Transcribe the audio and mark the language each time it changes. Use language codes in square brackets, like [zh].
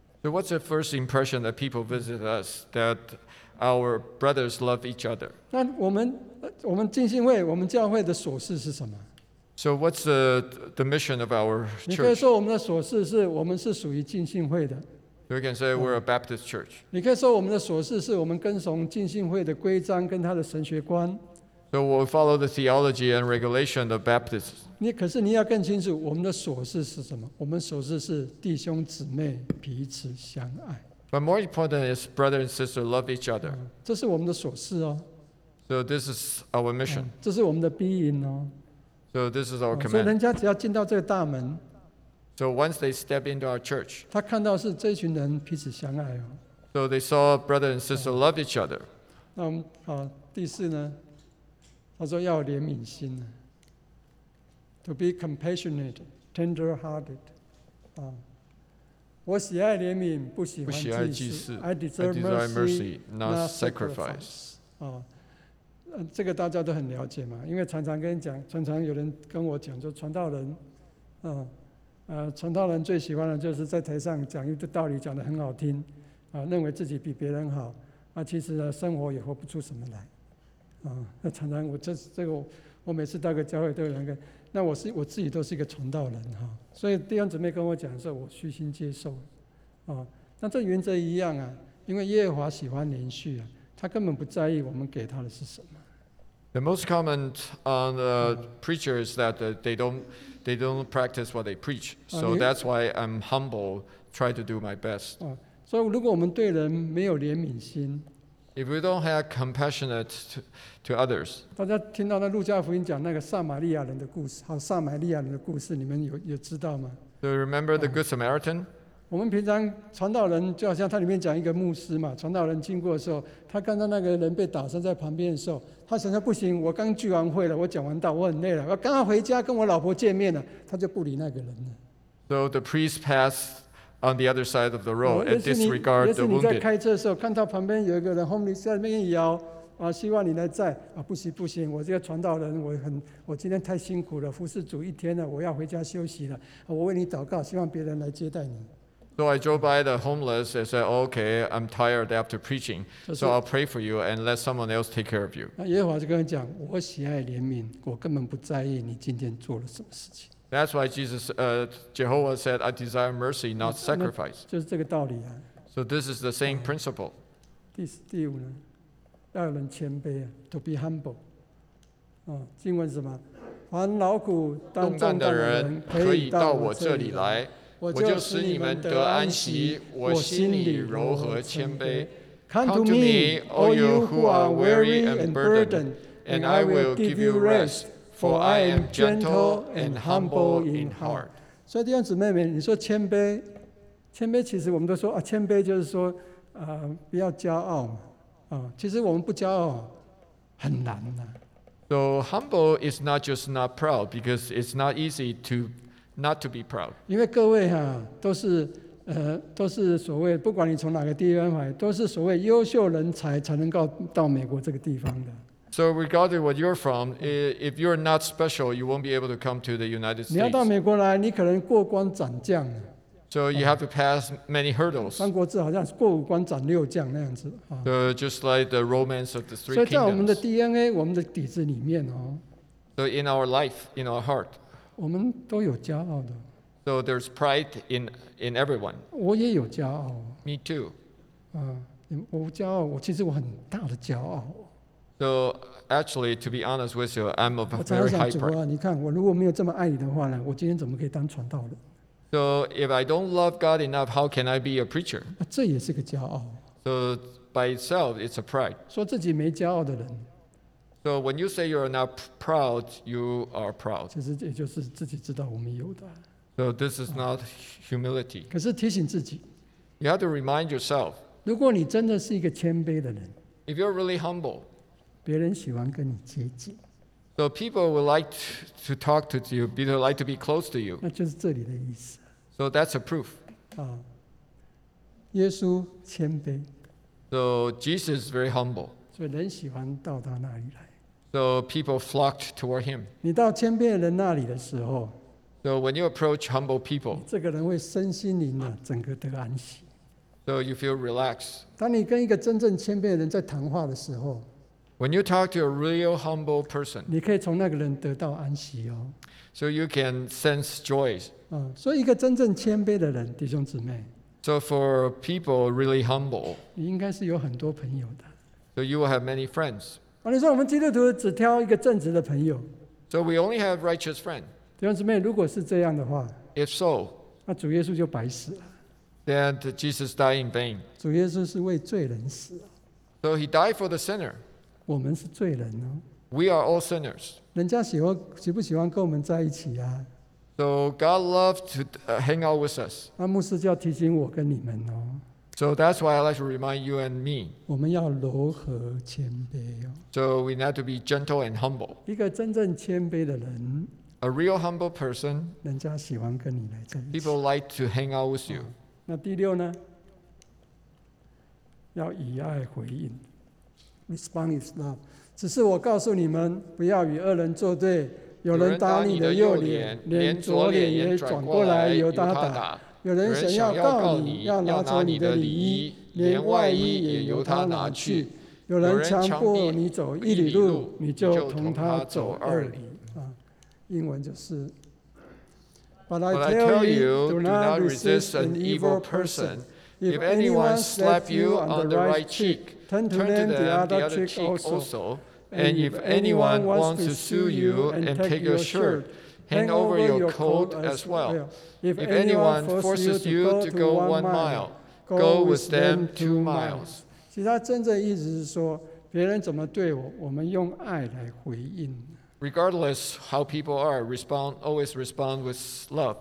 [en] So what's the first impression that people visit us that our brothers love each other? [zh] 那我们浸信会，我们教会的所事是什么？ [en] So what's the mission of our church? [zh] 你可以说我们的所事是我们是属于浸信会的。 [en] So you can say we're a Baptist church. [zh] 你可以说我们的所事是我们跟从浸信会的规章跟他的神学观。 [en] So we follow the theology and regulation of Baptists. [zh] 可是你要更清楚我们的所事是什么？我们所事是弟兄姊妹彼此相爱。 [en] But more important is brother and sister love each other. [zh] 这是我们的所事哦。 [en] So this is our mission. [zh] 这是我们的being哦。 [en] So this is our command. [zh] 所以人家只要进到这个大门。 [en] So once they step into our church. [zh] 他看到是这群人彼此相爱哦。 [en] So they saw brother and sister love each other. [zh] 那我们第四呢？他说要有怜悯心呢。 [en] to be compassionate, tender-hearted. [zh] 我喜爱怜悯，不喜欢祭祀。 [en] I desire mercy, not sacrifice. [zh] 这个大家都很了解嘛，因为常常跟你讲，常常有人跟我讲，就传道人，传道人最喜欢的就是在台上讲一个道理，讲得很好听，认为自己比别人好，其实生活也活不出什么来，那常常我每次到个教会都有人跟，那我自己都是一个传道人哈，所以弟兄姊妹跟我讲的时候，我虚心接受，那这原则一样啊，因为耶和华喜欢连续啊。他根本不在意我们给他的是什么。 [en] The most common on the preacher is that they don't practice what they preach. So that's why I'm humble, try to do my best. [zh] 所以如果我们对人没有怜悯心 [en] ，If we don't have compassionate to others， [zh] 大家听到那路加福音讲那个撒玛利亚人的故事，好，撒玛利亚人的故事，你们有知道吗 [en] ？Do you remember the Good Samaritan？ [zh] 我们平常传道人就好像他里面讲一个牧师嘛，传道人经过的时候，他看到那个人被打伤在旁边的时候，他想说不行，我刚聚完会了，我讲完道，我很累了，我刚刚回家跟我老婆见面了，他就不理那个人了。 [en] So the priest passed on the other side of the road and disregarded the wounded. [zh] 你在开车的时候看到旁边有一个人 homeless 在那边摇，希望你来载，不行不行，我这个传道人我今天太辛苦了，服侍主一天了，我要回家休息了，我为你祷告，希望别人来接待你。 [en] So I drove by the homeless and said, okay, I'm tired after preaching, so I'll pray for you and let someone else take care of you. [zh] 耶和华就跟他讲，我喜爱怜悯，我根本不在意你今天做了什么事情。 [en] That's why Jehovah said, I desire mercy, not sacrifice. [zh] 就是这个道理啊。 [en] So this is the same principle. [zh] 第五呢，要人谦卑啊， [en] to be humble. [zh] 经文什么？凡劳苦担重的人可以到我这里来。我就使你们得安息，我心里柔和谦卑。 [en] Come to me, all you who are weary and burdened, and I will give you rest, for I am gentle and humble in heart. [zh] 所以弟兄姊妹们，你说谦卑，谦卑其实我们都说啊，谦卑就是说，不要骄傲嘛，其实我们不骄傲很难呐。 [en] So humble is not just not proud, because it's not easy to. Not to be proud. [zh] 因为各位哈、都是所谓不管你从哪个地方来，都是所谓优秀人才才能够到美国这个地方的。 [en] So regardless of where you're from, if you're not special, you won't be able to come to the United States. [zh] 你要到美国来，你可能过关斩将。 [en] So you have to pass many hurdles. [zh] 三国志好像过五关斩六将那样子。 [en] So just like the romance of the three kingdoms. [zh] 所以在我们的 DNA， 我们的底子里面哦。 [en] So in our life, in our heart. [zh] 我们都有骄傲的。 [en] So there's pride in everyone. [zh] 我也有骄傲。 [en] Me too. [zh] 我骄傲，我其实我很大的骄傲。 [en] So actually, to be honest with you, I'm a very hyper. [zh] 我常常想，主啊，你看我如果没有这么爱你的话呢，我今天怎么可以当传道人 [en] ？So if I don't love God enough, how can I be a preacher? [zh] 这也是个骄傲。 [en] So by itself, it's a pride. [zh] 说自己没骄傲的人。 [en] So when you say you're not proud, you are proud. [zh] 其实也就是自己知道我们有的。 [en] So this is not humility. [zh] 可是提醒自己。 [en] You have to remind yourself. [zh] 如果你真的是一个谦卑的人。 [en] If you're really humble. [zh] 别人喜欢跟你接近。 [en] So people would like to talk to you. People would like to be close to you. [zh] 那就是这里的意思。 [en] So that's a proof. [zh] 耶稣谦卑。 [en] So Jesus is very humble. [zh] 所以人喜欢到他那里来。 [en] So people flocked toward him. [zh] 你到谦卑的人那里的时候 [en] ，So when you approach humble people, [zh] 这个人会身心灵的整个得安息。 [en] So you feel relaxed. [zh] 当你跟一个真正谦卑的人在谈话的时候 [en] ，When you talk to a real humble person, [zh] 你可以从那个人得到安息哦。 [en] So you can sense joy. [zh] 所以一个真正谦卑的人，弟兄姊妹 [en] ，So for people really humble, [zh] 你应该是有很多朋友的。 [en] So you will have many friends. [zh] 你说我们基督徒只挑一个正直的朋友。 [en] So we only have righteous friends. [zh] 弟兄姊妹，如果是这样的话 [en] ，If so, [zh] 那主耶稣就白死了。 [en] Then Jesus died in vain. [zh] 主耶稣是为罪人死。 [en] So he died for the sinner. [zh] 我们是罪人哦。 [en] We are all sinners. [zh] 人家喜不喜欢跟我们在一起啊 [en] ？So God loves to hang out with us. [zh] 那牧师就要提醒我跟你们哦。 [en] So that's why I like to remind you and me. [zh] 我们要柔和谦卑哦。 [en] So we need to be gentle and humble. [zh] 一个真正谦卑的人 [en] ，A A real humble person, [zh] 人家喜欢跟你来在一起。 [en] People like to hang out with you.、 [zh] 哦、那第六呢？要以爱回应 ， [en] respond with love。 [zh] 只是我告诉你们，不要与恶人作对。有人打你的右脸，连左脸也转过来由他打。有人想要告你，要拿走你的礼衣，连外衣也由他拿去。有人强迫你走一里路，你就同他走二里。英文就是 [en] But I tell you, do not resist an evil person. If anyone slaps you on the right cheek, turn to them the other cheek also. And if anyone wants to sue you and take your shirt, hang over your coat as well. If anyone forces you to go 1 mile, go with them 2 miles. [zh] 其实他真正意思是说，别人怎么对我，我们用爱来回应。 [en] Regardless how people are, respond, always respond with love.